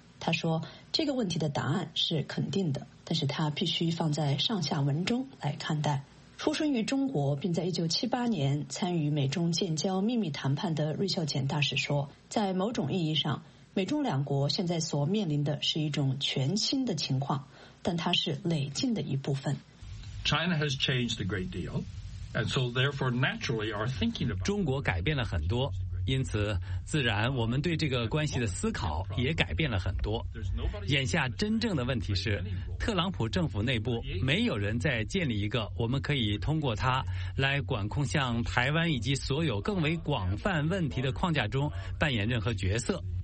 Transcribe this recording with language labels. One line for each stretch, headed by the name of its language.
Chinese: 他说这个问题的答案是肯定的，但是他必须放在上下文中来看待。出生于中国并在1978年参与美中建交秘密谈判的芮孝俭大使说，在某种意义上，美中两国现在所面临的是一种全新的情况，但它是累进的一部分。
English: China has changed a great deal, and so therefore naturally are thinking about.
Chinese: 中国改变了很多，因此自然我们对这个关系的思考也改变了很多。眼下真正的问题是，特朗普政府内部没有人在建立一个我们可以通过它来管控像台湾以及所有更为广泛问题的框架中扮演任何角色。